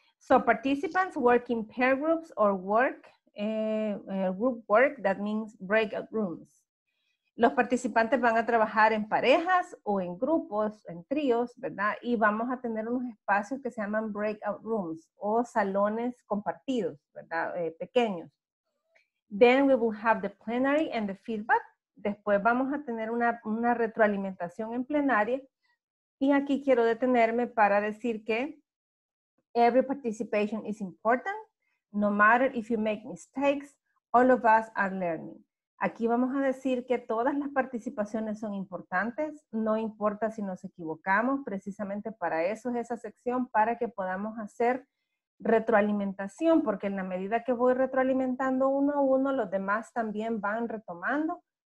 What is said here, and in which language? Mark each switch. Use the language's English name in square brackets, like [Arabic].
[English] So participants work in pair groups or work group work, that means breakout rooms. [Spanish] Los participantes van a trabajar en parejas o en grupos, en tríos, ¿verdad? Y vamos a tener unos espacios que se llaman breakout rooms o salones compartidos, ¿verdad? Pequeños. [English] Then we will have the plenary and the feedback. [Spanish] Después vamos a tener una retroalimentación en plenaria. Y aquí quiero detenerme para decir que [English] every participation is important. No matter if you make mistakes, all of us are learning. [Spanish] Aquí vamos a decir que todas las participaciones son importantes, no importa si nos equivocamos, precisamente para eso es esa sección, para que podamos hacer retroalimentación, porque en la medida que voy retroalimentando uno a uno, los demás también van retomando